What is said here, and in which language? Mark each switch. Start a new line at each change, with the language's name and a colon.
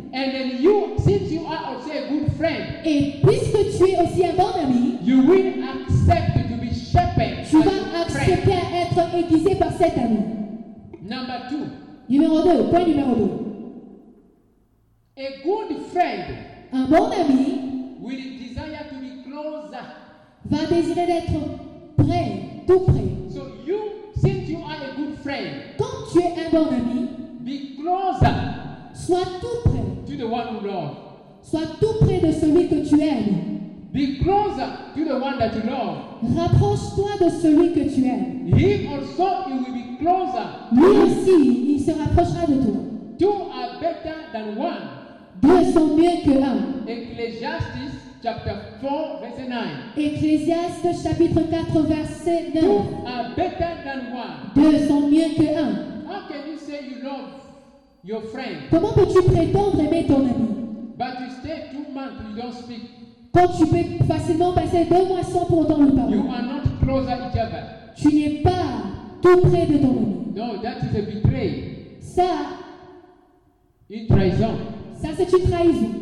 English: And then you, since you are also a good friend,
French: et puisque tu es aussi un bon ami,
English: you will accept to be sharpened.
French: Tu vas accepter être aiguisé par cet ami.
English: Number two.
French: Numéro deux. Point numéro deux.
English: A good friend,
French: un bon ami,
English: will desire to be closer,
French: va désirer d'être près, tout près.
English: So you, since you are a good friend,
French: quand tu es un bon ami,
English: be closer,
French: sois tout près,
English: to the one who loves,
French: sois tout près de celui que tu aimes.
English: Be closer to the one that you love.
French: Rapproche-toi de celui que tu aimes.
English: Him also, he will be closer.
French: Lui aussi, il se rapprochera de toi.
English: Two are better than one.
French: Deux sont mieux que l'un. Ecclésiastes chapitre 4 verset 9. Ecclésiastes chapitre 4 verset 9.
English: Two are better than one.
French: Deux sont mieux que l'un.
English: How can you say you love your friend?
French: Comment peux-tu prétendre aimer ton ami?
English: But you stay 2 months, you don't speak.
French: Quand tu peux facilement passer 2 mois sans pourtant lui parler.
English: You are not closer each other.
French: Tu n'es pas tout près de ton ami.
English: No, that is a betrayal.
French: Ça. Une trahison. Ça, c'est une trahison.